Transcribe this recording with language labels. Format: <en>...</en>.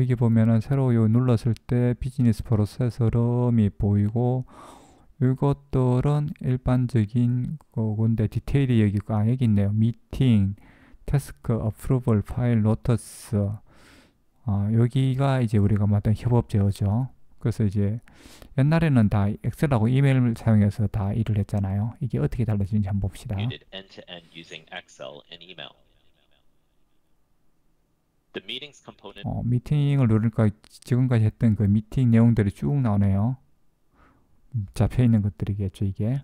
<ko>여기 보면은 새로 요 눌렀을 때 비즈니스 프로세스럼이 보이고 이것들은 일반적인 거군데 디테일이 여기 여기 있네요. 미팅, 태스크, 어프로벌, 파일, 노트스. 여기가 이제 우리가 맡은 협업 제어죠. 그래서 이제 옛날에는 다 엑셀하고 이메일을 사용해서 다 일을 했잖아요. 이게 어떻게 달라지는지 한번 봅시다.</ko> <en>You did end-to-end using Excel and email. The meetings component.</en> <ko>미팅을 누르니까 지금까지 했던 그 미팅 내용들이 쭉 나오네요. 잡혀 있는 것들이겠죠, 이게.</ko>